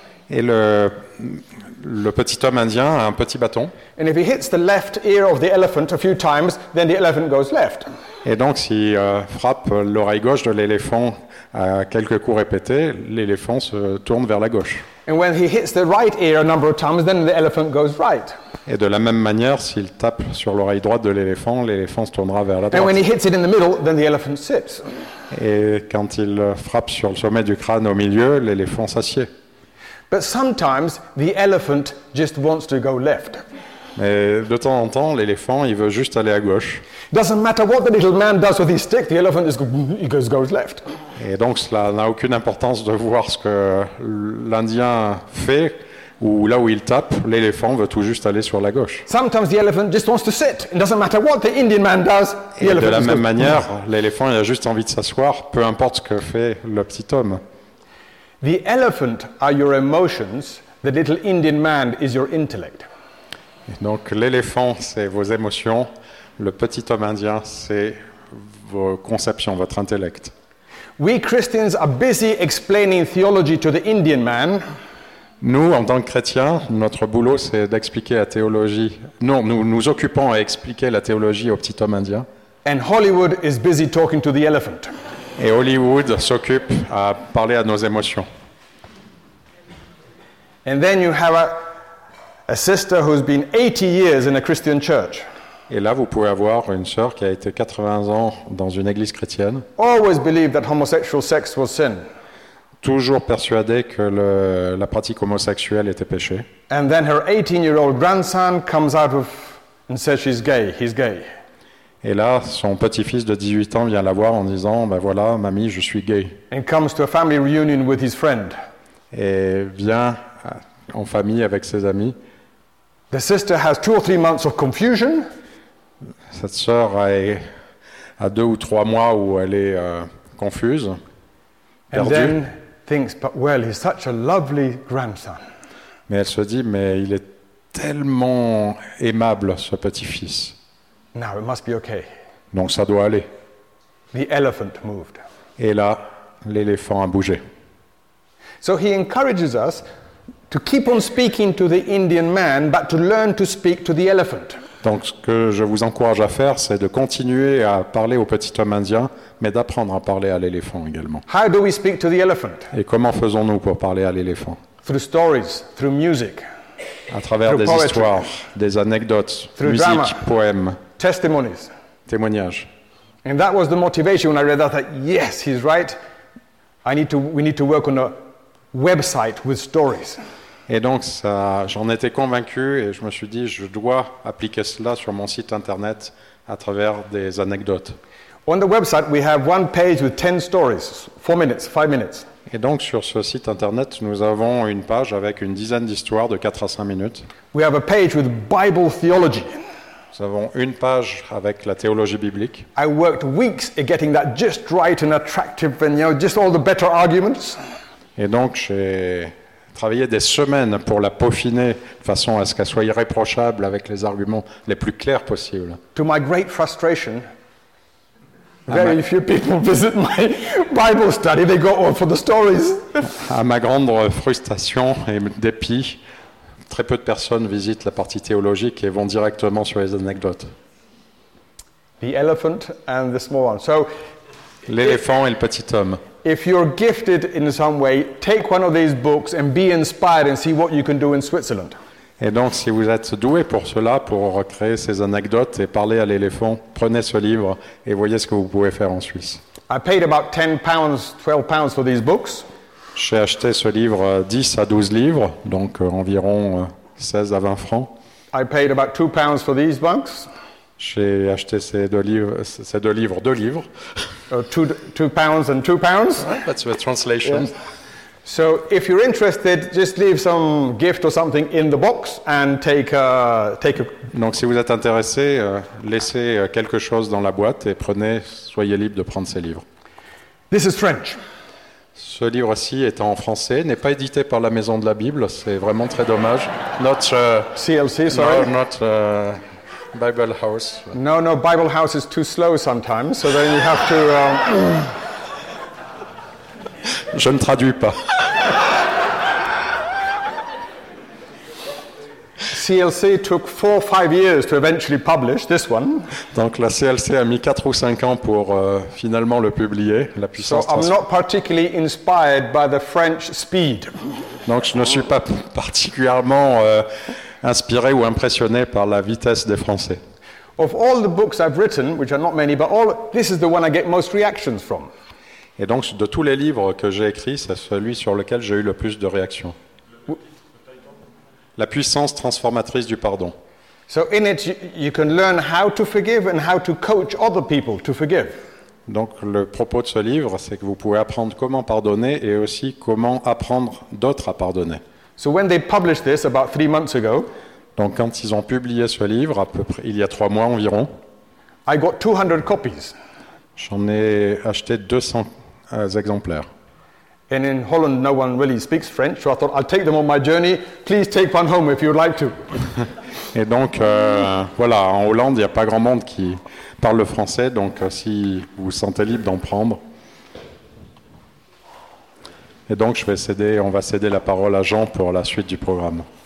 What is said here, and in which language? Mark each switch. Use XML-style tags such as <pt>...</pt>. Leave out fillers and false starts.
<fr>Et le petit homme indien a un petit bâton.</fr> <en>And if he hits the left ear of the elephant a few times, then the elephant goes left.</en> <fr>Et donc s'il frappe l'oreille gauche de l'éléphant à quelques coups répétés, l'éléphant se tourne vers la gauche.</fr> <en>And when he hits the right ear a number of times, then the elephant goes right.</en> <fr>Et de la même manière, s'il tape sur l'oreille droite de l'éléphant, l'éléphant se tournera vers la droite.</fr> <en>And when he hits it in the middle, then the elephant sits.</en> <fr>Et quand il frappe sur le sommet du crâne au milieu, l'éléphant s'assied.</fr> <en>But sometimes the elephant just wants to go left.</en> <fr>Mais de temps en temps, l'éléphant, il veut juste aller à gauche.</fr> <en>Doesn't matter what the little man does with his stick, the elephant just goes left.</en> <fr>Et donc cela n'a aucune importance de voir ce que l'Indien fait ou là où il tape, l'éléphant veut tout juste aller sur la gauche.</fr> <en>Sometimes the elephant just wants to sit. It doesn't matter what the Indian man does.</en> <fr>Et de la même manière, l'éléphant, il a juste envie de s'asseoir, peu importe ce que fait le petit homme.</fr> <en>The elephant are your emotions, the little Indian man is your intellect.</en> <fr>Et donc l'éléphant c'est vos émotions, le petit homme indien c'est vos conceptions, votre intellect.</fr> <en>We Christians are busy explaining theology to the Indian man.</en> <fr>Nous en tant que chrétiens, notre boulot c'est d'expliquer la théologie. Non, nous nous occupons à expliquer la théologie au petit homme indien.</fr> <en>And Hollywood is busy talking to the elephant.</en> <fr>Et Hollywood s'occupe à parler à nos émotions.</fr> <en>And then you have a sister who's been 80 years in a Christian church.</en> <fr>Et là vous pouvez avoir une sœur qui a été 80 ans dans une église chrétienne.</fr> <en>Always believed that homosexual sex was sin.</en> <fr>Toujours persuadée que la pratique homosexuelle était péché.</fr> <en>And then her 18-year-old grandson comes out of and says she's gay. He's gay.</en> <fr>Et là, son petit-fils de 18 ans vient la voir en disant « Ben voilà, mamie, je suis gay. »</fr> <en>And comes to a family reunion with his friend.</en> <fr>Et vient en famille avec ses amis.</fr> <en>The sister has 2 or 3 months of confusion.</en> <fr>Cette sœur a 2 ou 3 mois où elle est confuse. perdu.</fr> <en>And then thinks, but well, he's such a lovely grandson.</en> <fr>Mais elle se dit, mais il est tellement aimable, ce petit-fils.</fr> <en>Now it must be okay.</en> <fr>Donc ça doit aller.</fr> <en>The elephant moved.</en> <fr>Et là, l'éléphant a bougé.</fr> <en>So he encourages us to keep on speaking to the Indian man, but to learn to speak to the elephant.</en> <fr>Donc ce que je vous encourage à faire, c'est de continuer à parler au petit homme indien, mais d'apprendre à parler à l'éléphant également.</fr> <en>How do we speak to the elephant?</en> <fr>Et comment faisons-nous pour parler à l'éléphant?</fr> <en>Through stories, through music.</en> <fr>À travers</fr> <en>through</en> <fr>des</fr> <en>poetry,</en> <fr>histoires, des anecdotes, musique,</fr> <en>drama,</en> <fr>poèmes,</fr> <en>testimonies.</en> <fr>Témoignages.</fr> <en>And that was the motivation when I read that, that yes, he's right. We need to work on a website with stories.</en> <fr>Et donc, ça, j'en étais convaincu et je me suis dit, je dois appliquer cela sur mon site internet à travers des anecdotes.</fr> <en>On the website, we have one page with 10 stories, 4 minutes, 5 minutes.</en> <fr>Et donc, sur ce site internet, nous avons une page avec une dizaine d'histoires de 4 à 5 minutes.</fr> <en>We have a page with Bible theology.</en> <fr>Nous avons une page avec la théologie biblique.</fr> <en>I worked weeks at getting that just right and attractive and, you know, just all the better arguments.</en> <fr>Et donc, j'ai travaillé des semaines pour la peaufiner de façon à ce qu'elle soit irréprochable avec les arguments les plus clairs possibles.</fr> <en>To my great frustration, very few people visit my Bible study. They go all for the stories.</en> <fr>À ma grande frustration et dépit, très peu de personnes visitent la partie théologique et vont directement sur les anecdotes.</fr> <en>The elephant and the small one. So,</en> <fr>l'éléphant et le petit homme.</fr> <en>If you're gifted in some way, take one of these books and be inspired and see what you can do in Switzerland.</en> <fr>Et donc, si vous êtes doué pour cela, pour créer ces anecdotes et parler à l'éléphant, prenez ce livre et voyez ce que vous pouvez faire en Suisse.</fr> <en>I paid about 10 pounds, 12 pounds for these books.</en> <fr>J'ai acheté ce livre 10 à 12 livres, donc environ 16 à 20 francs.</fr> <en>I paid about 2 pounds for these books.</en> <fr>J'ai acheté ces deux livres.</fr> <en>£2 and £2. That's the translation. Yes. So if you're interested, just leave some gift or something in the box and take a.</en> <fr>Donc si vous êtes intéressé, laissez quelque chose dans la boîte et prenez, soyez libre de prendre ces livres.</fr> <en>This is French.</en> <fr>Ce livre-ci est en français, n'est pas édité par la Maison de la Bible. C'est vraiment très dommage.</fr> <en>Not CLC, sorry. Not Bible House. No, Bible House is too slow sometimes, so then you have to.</en> <fr>Je ne traduis pas.</fr> <en>CLC took 4 or 5 years to eventually publish this one.</en> <fr>Donc la CLC a mis 4 ou 5 ans pour finalement le publier, la puissance.</fr> <en>So I'm not particularly inspired by the French speed.</en> <fr>Donc je ne suis pas particulièrement inspiré ou impressionné par la vitesse des Français.</fr> <en>Of all the books I've written, which are not many, but all this is the one I get most reactions from.</en> <fr>Et donc de tous les livres que j'ai écrits, c'est celui sur lequel j'ai eu le plus de réactions. La puissance transformatrice du pardon.</fr> <en>So in it you can learn how to forgive and how to coach other people to forgive.</en> <fr>Donc le propos de ce livre, c'est que vous pouvez apprendre comment pardonner et aussi comment apprendre d'autres à pardonner.</fr> <en>So when they published this about 3 months ago,</en> <fr>donc quand ils ont publié ce livre à peu près il y a 3 mois environ,</fr> <en>I got 200 copies.</en> <fr>J'en ai acheté 200 exemplaires.</fr> <en>And in Holland, no one really speaks French, so I thought I'll take them on my journey. Please take one home if you'd like to.</en> <fr>Et donc, voilà, en Hollande, il n'y a pas grand monde qui parle le français, donc si vous vous sentez libre d'en prendre. Et donc, on va céder la parole à Jean pour la suite du programme.</fr>